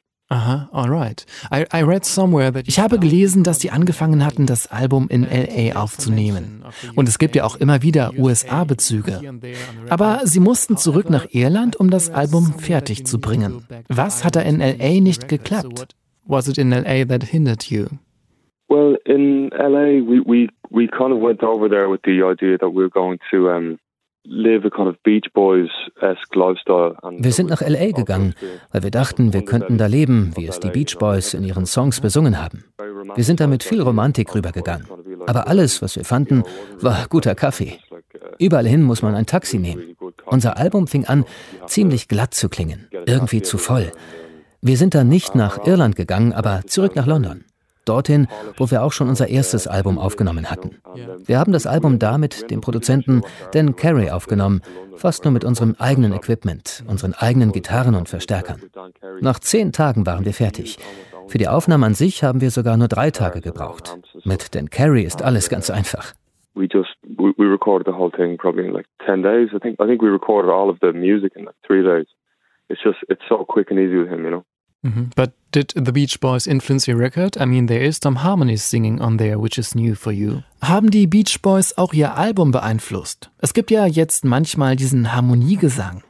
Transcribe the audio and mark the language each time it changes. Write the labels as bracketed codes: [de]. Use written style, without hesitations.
[en] Aha, all right. I read somewhere that. [de] Ich habe gelesen, dass sie angefangen hatten, das Album in LA aufzunehmen. Und es gibt ja auch immer wieder USA-Bezüge. Aber sie mussten zurück nach Irland, um das Album fertig zu bringen. Was hat da in LA nicht geklappt? [en] Was it in LA that hindered you? Well, in LA, we kind of went over there with the idea that we were going to live a kind of Beach Boys-esque lifestyle. [de] Wir sind nach LA gegangen, weil wir dachten, wir könnten da leben, wie es die Beach Boys in ihren Songs besungen haben. Wir sind da mit viel Romantik rübergegangen. Aber alles, was wir fanden, war guter Kaffee. Überall hin muss man ein Taxi nehmen. Unser Album fing an, ziemlich glatt zu klingen, irgendwie zu voll. Wir sind dann nicht nach Irland gegangen, aber zurück nach London. Dorthin, wo wir auch schon unser erstes Album aufgenommen hatten. Wir haben das Album da mit dem Produzenten Dan Carey aufgenommen, fast nur mit unserem eigenen Equipment, unseren eigenen Gitarren und Verstärkern. Nach 10 Tagen waren wir fertig. Für die Aufnahme an sich haben wir sogar nur 3 Tage gebraucht. Mit Dan Carey ist alles ganz einfach. [en] We recorded the whole thing probably in like 10 days. I think we recorded all of the music in like 3 days. It's so quick and easy with him, you know. Mm-hmm. But did the Beach Boys influence your record? I mean, there is some harmonies singing on there, which is new for you. [de] Haben die Beach Boys auch ihr Album beeinflusst? Es gibt ja jetzt manchmal diesen Harmoniegesang.